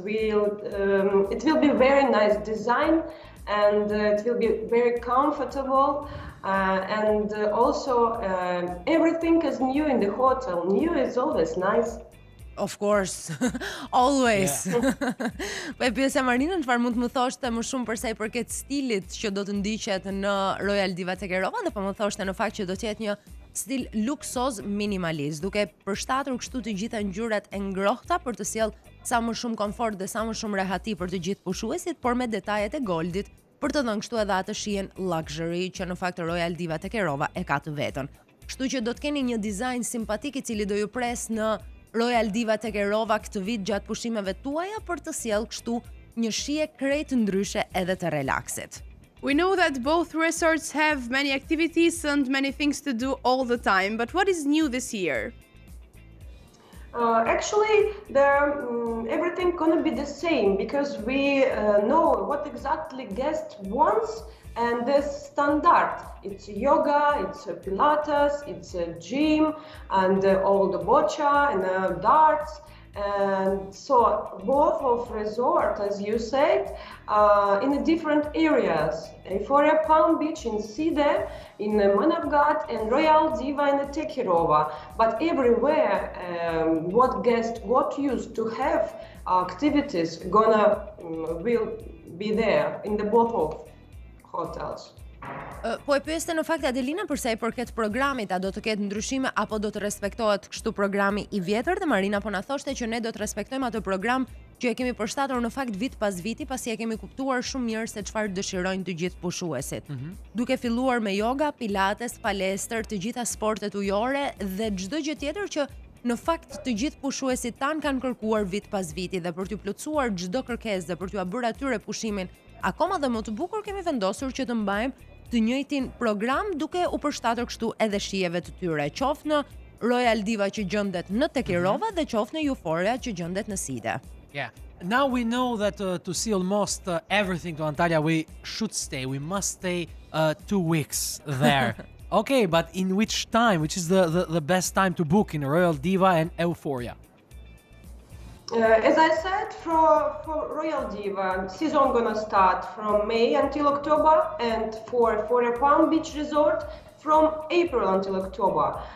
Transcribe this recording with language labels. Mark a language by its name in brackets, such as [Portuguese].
[English] It will be very nice design and it will be very comfortable. And also everything is new in the hotel. New is always nice. Of course, always. Yeah. [Albanian] Po e pyesja Marinën çfarë mund të më thoshte më shumë për sa i përket stilit që do të ndiqet në Royal Diwa tek Rova dhe po më thoshte në fakt që do të jetë një stil luksoz minimalist, duke përshtatur kështu të gjitha ngjyrat e ngrohta për të sjellë sa më shumë komfort dhe sa më shumë rehati për të gjithë pushuesit, por me detajet e goldit, për të dhënë kështu edhe atë shijen luxury që në fakt Royal Diwa te Kerova e ka të vetën. Kështu që do të keni një dizajn simpatik I cili do ju pres në Royal Diwa te Kerova këtë vit gjatë pushimeve tuaja për të sjellë kështu një shije krejt ndryshe edhe të relaxit. [English] We know that both resorts have many activities and many things to do all the time, but what is new this year? Actually, there everything gonna be the same because we know what exactly guest wants and this standard. It's yoga, it's Pilates, it's a gym, and all the bocha and darts. And so both of resort, as you said, in the different areas. Euphoria Palm Beach in Side, in the Manavgat, and Royal Diwa in the Te Kerova. But everywhere, what guests, what used to have activities gonna will be there in the both of hotels. [Albanian] Po e pyeste në fakt Adelina përse I përket programit, a do të ketë ndryshime apo do të respektohet kështu programi I vjetër dhe Marina po na thoshte që ne do të respektojmë atë program që e kemi përshtatur në fakt vit pas viti pasi e kemi kuptuar shumë mirë se çfarë dëshirojnë të gjithë pushuesit. Mm-hmm. Duke filluar me yoga, pilates, palestër, të gjitha sportet ujore dhe çdo gjë tjetër që në fakt të gjithë pushuesit tan kanë kërkuar vit pas viti dhe për t'u plotësuar çdo kërkesë dhe për t'u bërë atyre pushimin akoma dhe më të bukur kemi vendosur që të mbajmë të njëjtin program duke u përshtatur kështu edhe shijeve të tyre, qoftë në Royal Diwa që gjendet në Te Kerova dhe qoftë në Euphoria që gjendet në Side. [English] Yeah. Now we know that to see almost everything to Antalya we should stay. We must stay 2 weeks there. Okay, but in which time, which is the best time to book in Royal Diwa and Euphoria? As I said, for Royal Diwa, season gonna start from May until October, and for a Palm Beach resort, from April until October.